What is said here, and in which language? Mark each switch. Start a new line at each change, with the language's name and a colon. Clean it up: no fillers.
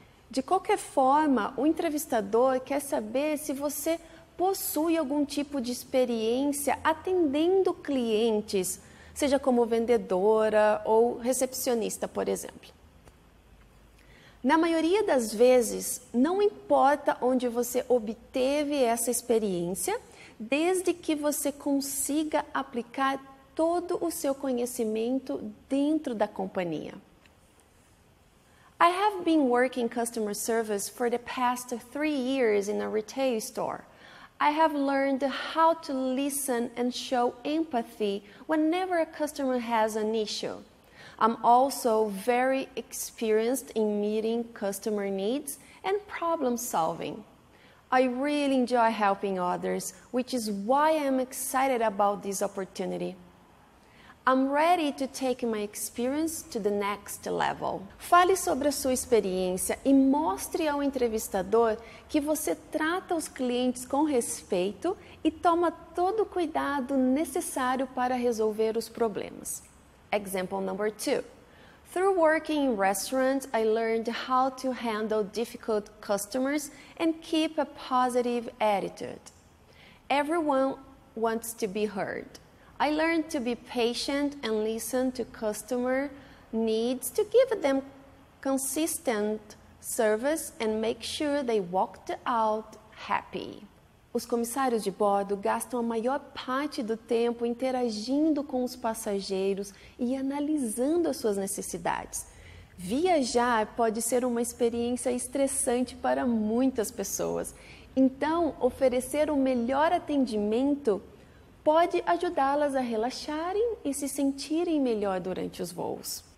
Portuguese: De qualquer forma, o entrevistador quer saber se você possui algum tipo de experiência atendendo clientes, seja como vendedora ou recepcionista, por exemplo. Na maioria das vezes, não importa onde você obteve essa experiência, desde que você consiga aplicar todo o seu conhecimento dentro da companhia.
English: I have been working customer service for the past 3 years in a retail store. I have learned how to listen and show empathy whenever a customer has an issue. I'm also very experienced in meeting customer needs and problem solving. I really enjoy helping others, which is why I'm excited about this opportunity. I'm ready to take my experience to the next level.
Portuguese: Fale sobre a sua experiência e mostre ao entrevistador que você trata os clientes com respeito e toma todo o cuidado necessário para resolver os problemas.
English: Example number 2. Through working in restaurants, I learned how to handle difficult customers and keep a positive attitude. Everyone wants to be heard. I learned to be patient and listen to customer needs to give them consistent service and make sure they walked out happy.
Portuguese: Os comissários de bordo gastam a maior parte do tempo interagindo com os passageiros e analisando as suas necessidades. Viajar pode ser uma experiência estressante para muitas pessoas, então oferecer o melhor atendimento pode ajudá-las a relaxarem e se sentirem melhor durante os voos.